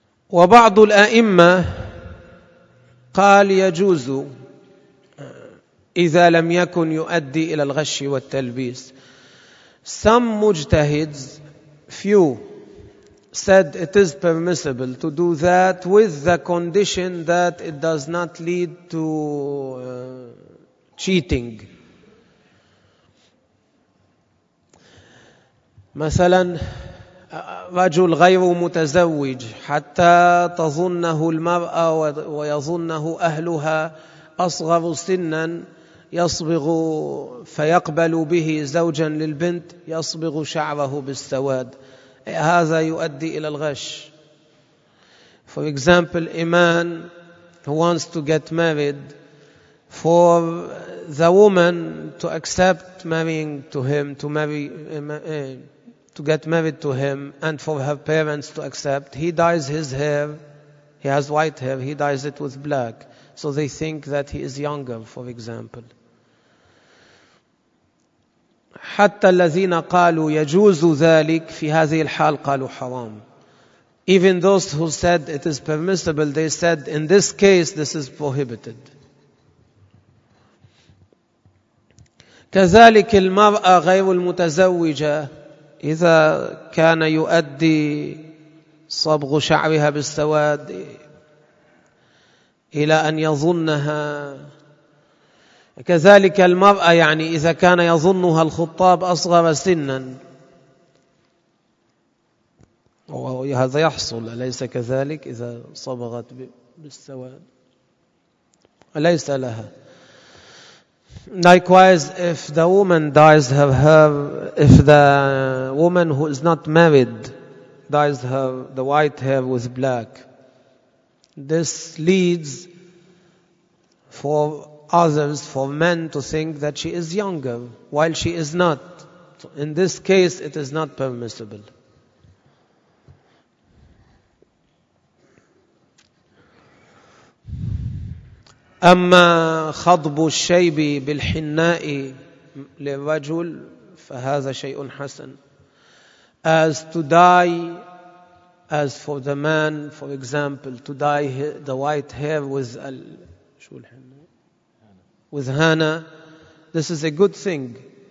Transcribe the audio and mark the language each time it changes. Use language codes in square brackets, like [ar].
[ar] وبعض الأئمة قال يجوز إذا لم يكن يؤدي إلى الغش والتلبيس. [en] Some mujtahids, few, said it is permissible to do that with the condition that it does not lead to cheating. [ar] مثلا رجل غير متزوج حتى تظنه المرأة ويظنه أهلها أصغر سنا يصبغ فيقبل به زوجا للبنت يصبغ شعره بالسواد هذا يؤدي إلى الغش. [en] For example, a man who wants to get married, for the woman to accept marrying to him, to get married to him, and for her parents to accept, he dyes his hair. He has white hair. He dyes it with black, so they think that he is younger. For example. [ar] حتى الذين قالوا يجوز ذلك في هذه الحال قالوا حرام. [en] Even those who said it is permissible, they said in this case this is prohibited. [ar] كذلك المرأة غير المتزوجة إذا كان يؤدي صبغ شعرها بالسواد إلى أن يظنها كذلك المرأة يعني إذا كان يظنها الخطاب أصغر سنا وهذا يحصل أليس كذلك إذا صبغت بالسواد أليس لها. [en] Likewise, if the woman dyes her hair, if the woman who is not married dyes her the white hair with black, this leads for others, for men to think that she is younger, while she is not. So in this case, it is not permissible. [ar] أما خضب الشيب بالحناء للرجل فهذا شيء حسن. [en] As to dye, as for the man, for example, to dye the white hair with henna, this is a good thing.